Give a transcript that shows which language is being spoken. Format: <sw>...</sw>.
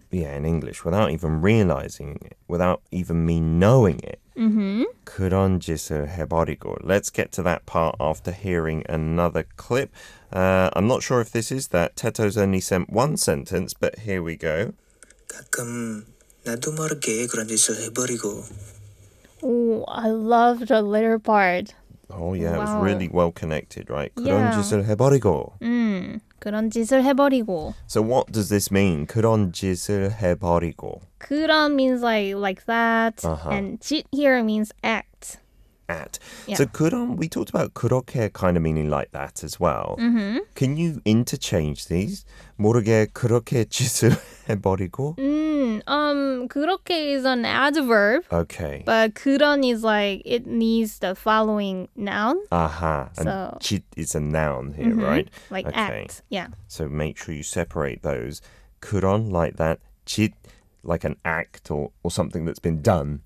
<en>Yeah, in English. Without even realizing it. Without even me knowing it. Mm-hmm.</en> <ko>그런 짓을 해버리고.</ko> <en>Let's get to that part after hearing another clip. I'm not sure if this is that. Teto's only sent one sentence, but here we go. 가끔 나도 모르게 그런 짓을 해버리고. Oh, I love the later part. Oh, yeah, wow. It was really well connected, right? Yeah.</en> <ko>그런 짓을 해버리고. 그런 짓을 해버리고.</ko> <en>So what does this mean?</en> <ko>그런 짓을 해버리고.</ko> <en>그런 means like that. Uh-huh. And 짓 here means act. At. Yeah. So 그런, we talked about 그렇게 kind of meaning like that as well. Mm-hmm. Can you interchange these?</en> <ko>모르게 그렇게 짓을 해버리고?</ko> <en>그렇게 is an adverb. Okay. But 그런 is like, it needs the following noun. Aha. Uh-huh. So, and 짓 is a noun here, mm-hmm. right? Like okay. act. Yeah. So make sure you separate those. 그런 like that. 짓 like an act or something that's been done.</en>